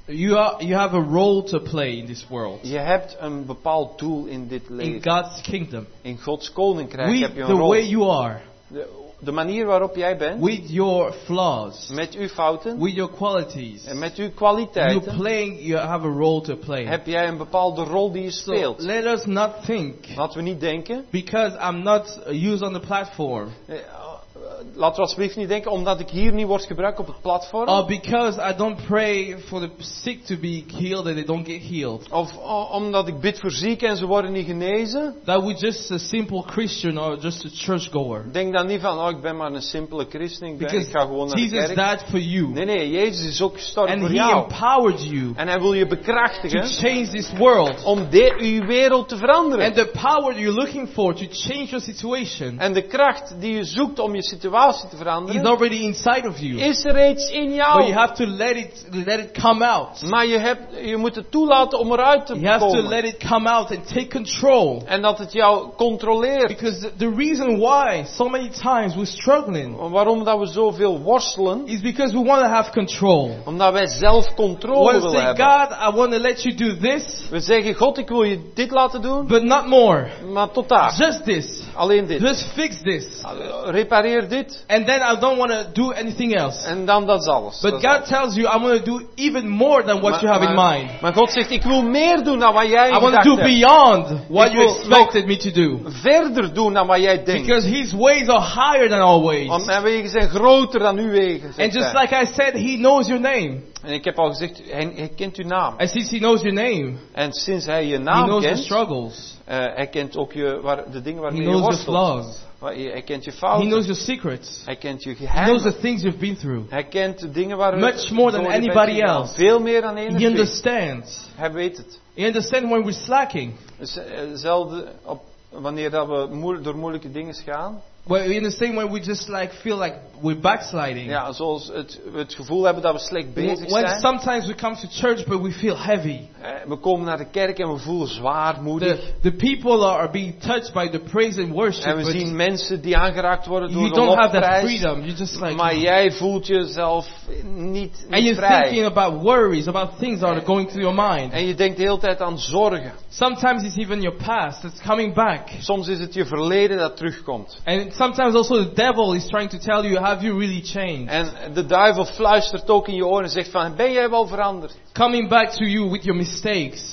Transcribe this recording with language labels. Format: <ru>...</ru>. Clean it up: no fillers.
<en>You have a role to play in this world.</en> <nl>Je hebt een bepaald doel in dit leven.</nl> <en>In God's kingdom.</en> <nl>In Gods koninkrijk</nl> <en>with</en> <nl>heb je een</nl> <en>the</en> <nl>rol.</nl> <en>The way you are.</en> <nl>De manier waarop jij bent.</nl> <en>With your flaws.</en> <nl>Met uw fouten.</nl> <en>With your qualities.</en> <nl>En met uw kwaliteiten.</nl> <en>You playing, you have a role to play.</en> <nl>Heb jij een bepaalde rol die je speelt?</nl> <en>So, let us not think.</en> <nl>Laten we niet denken.</nl> <en>Because I'm not used on the platform.</en> <nl>Laten we alsjeblieft niet denken omdat ik hier niet word gebruikt op het platform.</nl> <en>Or because I don't pray for the sick to be healed and they don't get healed.</en> <nl>Of omdat ik bid voor zieken en ze worden niet genezen.</nl> <en>That we just a simple Christian or just a churchgoer.</en> <nl>Denk dan niet van, oh, ik ben maar een simpele christen, ik ga gewoon naar</nl> <en>Jesus</en> <nl>de kerk.</nl> <en>Jesus died for you.</en> <nl>Nee, Jezus is ook gestorven</nl> <en>and</en> <nl>voor</nl> <en>he</en> <nl>jou.</nl> <en>Empowered you.</en> <nl>En hij wil je bekrachtigen.</nl> <en>To change this world.</en> <nl>Om uw wereld te veranderen.</nl> <en>And the power you're looking for to change your situation.</en> <nl>En de kracht die je zoekt om je situatie te veranderen.</nl> <en>It's already inside of you.</en> <nl>Is er reeds in jou.</nl> <en>But you have to let it come out.</en> <nl>Maar je moet het toeladen om eruit te</nl> <en>you You have to let it come out and take control.</en> <nl>En dat het jou controleert.</nl> <en>Because the reason why so many times we're struggling.</en> <nl>Waarom dat we zoveel worstelen.</nl> <en>Is because we want to have control.</en> <nl>Omdat wij zelf controle willen hebben.</nl> <en>We say God, I want to let you do this.</en> <nl>We zeggen God, ik wil je dit laten doen.</nl> <en>But not more.</en> <nl>Maar tot daar.</nl> <en>Just this.</en> <nl>Alleen dit.</nl> <en>Just fix this.</en> <nl>Repareer.</nl> <en>And then I don't want to do anything else.</en> <nl>En dan dat is alles.</nl> <en>But God tells you I'm going to do even more than what you have in mind.</en> <nl>Maar God zegt ik wil meer doen dan wat jij.</nl> <en>I want to do beyond what you expected me to do.</en> <nl>Verder doen dan wat jij denkt.</nl> <en>Because His ways are higher than our ways.</en> <nl>Mijn wegen zijn groter dan uw wegen.</nl> <en>And just like I said, He knows your name.</en> <nl>En ik heb al gezegd, hij kent uw naam.</nl> <en>And since He knows your name.</en> <nl>En sinds hij je naam kent.</nl> <en>He knows your struggles.</en> <nl>Hij kent ook de dingen waarmee je worstelt.</nl> <en>He knows your flaws.</en> <nl>Hij kent je fouten.</nl> <en>He knows your secrets.</en> <nl>Hij kent je geheimen.</nl> <en>He knows the things you've been through.</en> <nl>Hij kent de dingen waar</nl> <en>much more than anybody else.</en> <nl>Veel meer dan enig.</nl> <en>He understands.</en> <nl>Hij weet het.</nl> <en>He understands when we're slacking.</en> <nl>Zelfde wanneer dat we door moeilijke dingen gaan.</nl> <en>Well, in the same way, we just like feel like we're backsliding.</en> <nl>Ja, zoals het gevoel hebben dat we slecht bezig zijn.</nl> <en>When sometimes we come to church, but we feel heavy.</en> <nl>We komen naar de kerk en we voelen zwaarmoedig.</nl> <en>The people are being touched by the praise and worship.</en> <nl>En we zien mensen die aangeraakt worden door de lofprijs. You don't</nl> <en>have that freedom. You just like.</en> <nl>Maar jij voelt jezelf niet vrij.</nl> <en>And you're thinking about worries, about things that are going through your mind.</en> <nl>En je denkt de hele tijd aan zorgen.</nl> <en>Sometimes it's even your past that's coming back.</en> <nl>Soms is het je verleden dat terugkomt.</nl> <en>And sometimes also the devil is trying to tell you, have you really changed?</en> <nl>En de duivel fluistert ook in je oren en zegt van, ben jij wel veranderd?</nl> <en>Coming back to you with your mistakes.</en>